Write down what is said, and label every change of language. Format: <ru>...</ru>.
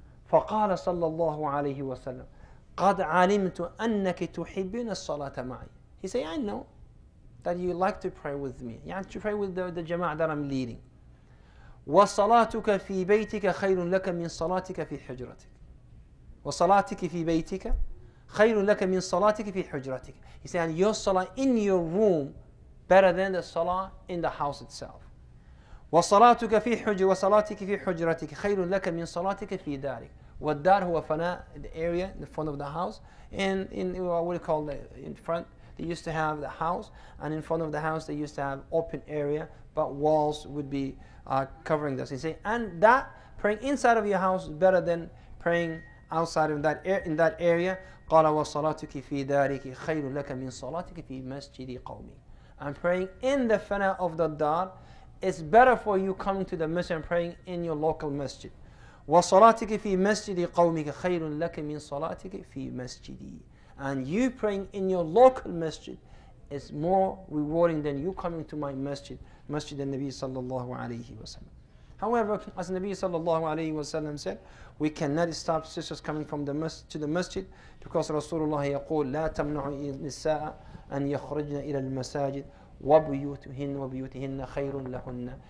<ar>فقال صلى الله عليه وسلم قد علمت أنك تحبين الصلاة معي.</ar> <en>He said, I know that you like to pray with me. You have to pray with the jama'ah that I'm leading.</en> <ar>وصلاتك في بيتك خير لك من صلاتك في حجرتك. وصلاتك في بيتك خير لك من صلاتك في حجرتك.</ar> <en>He said, and your salah in your room better than the salah in the house itself.</en> <ar>وصلاتك في حجر وصلاتك في حجرتك خير لك من صلاتك في دارك. والدار هو فناء,</ar> <en>the area in the front of the house, and in what we call the in front, they used to have the house, and in front of the house they used to have open area, but walls would be covering this. He said, and that praying inside of your house is better than praying outside in that area.</en> <ar>قال وصلاتك في دارك خير لك من صلاتك في مسجد قومي.</ar> <en>And praying in the fana of the dar is better for you coming to the masjid and praying in your local masjid.</en> <ar>وصلاتك في مسجد قومك خير لك من صلاتك في مسجدي.</ar> <en>And you praying in your local masjid is more rewarding than you coming to my masjid, masjid al-Nabi sallallahu alayhi wa sallam. However, as Nabi sallallahu alayhi wa sallam said, we cannot stop sisters coming from the masjid to the masjid, because Rasulullah</en> <ar>يقول لا تمنع النساء أن يخرجن إلى المساجد وبيوتهن وبيوتهن خير لهن.</ar>